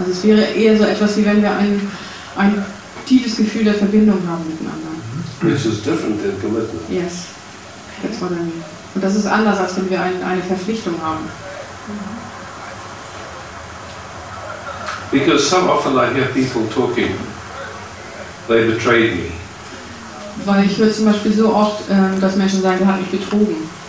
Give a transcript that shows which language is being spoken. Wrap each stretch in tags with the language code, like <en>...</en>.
<de>Also es wäre eher so etwas, wie wenn wir ein tiefes Gefühl der Verbindung haben miteinander. Mm-hmm.</de> <en>Which is different than commitment. Yes, that's what I mean.</en> <de>Und das ist anders, als wenn wir eine Verpflichtung haben.</de> <en>Because so often I hear people talking, they betrayed me.</en> <de>Weil ich höre zum Beispiel so oft, dass Menschen sagen, er hat mich betrogen.</de>